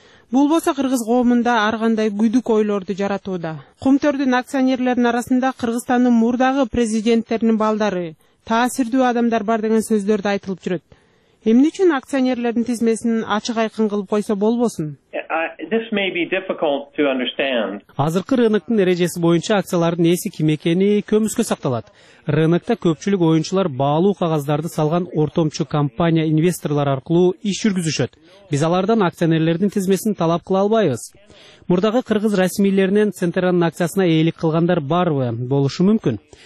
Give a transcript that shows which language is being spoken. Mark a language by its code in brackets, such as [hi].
[ky] Бул болсо кыргыз коомунда ар кандай күдүк ойлорду жаратууда. Кумтөрдүн акционерлеринин арасында Кыргызстандын мурдагы президенттеринин балдары, таасирдүү адамдар бар деген сөздөр да айтылып жүрөт. Эмне үчүн акционерлердин тизмесин ачык айкын кылып койсо болбосун? [en] This may be difficult to understand. [ky] Азыркы рыноктун эрежеси боюнча акциялардын ээси ким экени көмүскө сакталат. Рынокто көпчүлүк оюнчулар баалуу кагаздарды салган ортомчу компания инвесторлор аркылуу иш жүргүзүшөт. Биз алардан акционерлердин тизмесин талап кыла албайбыз. Мурдагы кыргыз расмийлеринен Центеранын акциясына ээлик кылгандар барбы? Болушу мүмкүн.